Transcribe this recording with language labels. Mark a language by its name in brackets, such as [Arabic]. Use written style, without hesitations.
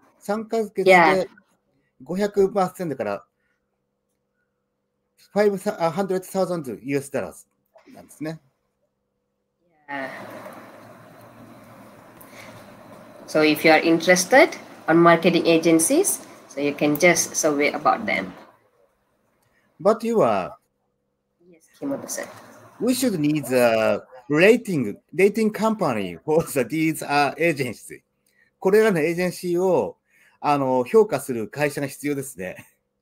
[Japanese] 3ヶ月で500%だから $500,000 なんですね。 [English] Yeah. So if you are interested on marketing agencies,So you can just survey about them. But you are... Yes, Kimoto said. we should need a rating company for these agencies. [Japanese] これらのエージェンシーをあの評価する会社が必要ですね。